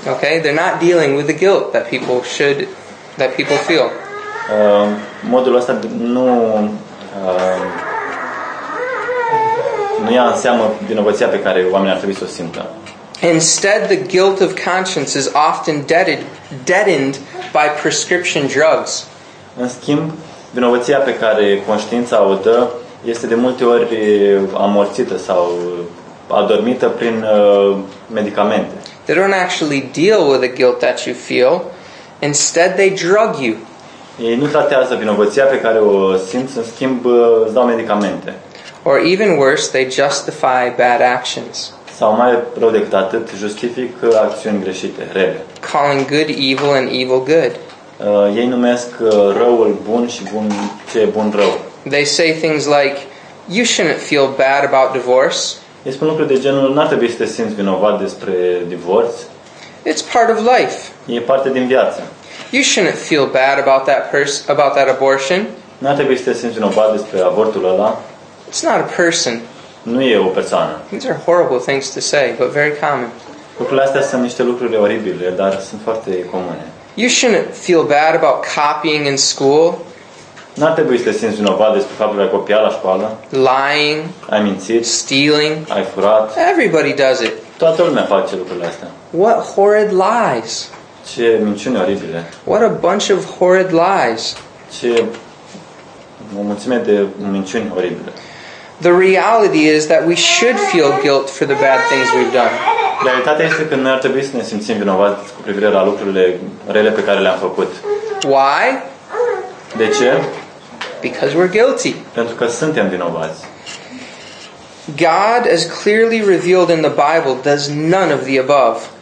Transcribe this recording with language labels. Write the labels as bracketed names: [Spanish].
[English] Okay, they're not dealing with the guilt that people should, that people feel. [Romanian] Modul ăsta nu ia în seamă vinovăția pe care oamenii ar trebui să o simtă. [English] Instead, the guilt of conscience is often deadened by prescription drugs. [Romanian] În schimb, vinovăția pe care conștiința o dă este de multe ori amorțită sau adormită prin medicamente. [English] They don't actually deal with the guilt that you feel. Instead, they drug you. [Romanian] Ei nu tratează vinovăția pe care o simți, în schimb, îți dau medicamente. [English] Or even worse, they justify bad actions. [Romanian] Sau mai rău decât atât, justifică acțiuni greșite, rele. [English] Calling good evil and evil good. [Romanian] Ei numesc răul bun și bun ce e bun rău. [English] They say things like, you shouldn't feel bad about divorce. [Romanian] Ei spun lucruri de genul, n-ar trebui să te simți vinovat despre divorț. [English] It's part of life. [Romanian] E parte din viață. [English] You shouldn't feel bad about that abortion. [Romanian] N-ar trebui să te simți vinovat despre avortul ăla. [English] It's not a person. [Romanian] Nu e o persoană. [English] These are horrible things to say, but very common. [Romanian] Lucrurile astea sunt niște lucruri oribile, dar sunt foarte comune. [English] You shouldn't feel bad about copying in school. [Romanian] N-ar trebui să te simți vinovat despre faptul că ai copiat la școală. [English] Lying. [Romanian] Ai mințit. [English] Stealing. [Romanian] Ai furat. [English] Everybody does it. [Romanian] Toată lumea face lucrurile astea. [English] What horrid lies. [Romanian] Ce minciuni oribile. [English] What a bunch of horrid lies. [Romanian] Ce o mulțime de minciuni oribile. [English] The reality is that we should feel guilt for the bad things we've done. [Romanian] Realitatea este că noi ar trebui să ne simțim vinovați cu privire la lucrurile rele pe care le-am făcut. [English] Why? [Romanian] De ce? [English] Because we're guilty. [Romanian] Pentru că suntem vinovați. [English] God, as clearly revealed in the Bible, does none of the above.